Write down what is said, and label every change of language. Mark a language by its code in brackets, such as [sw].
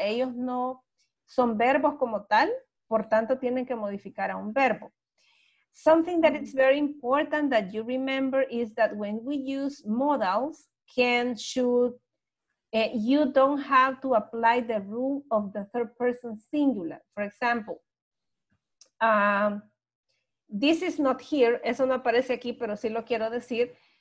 [es] Ellos no son verbos como tal, por tanto tienen que modificar a un verbo. [en] Something that is very important that you remember is that when we use modals, can, should, you don't have to apply the rule of the third person singular. For example, this is not here. [es] Eso no aparece aquí, pero sí lo quiero decir.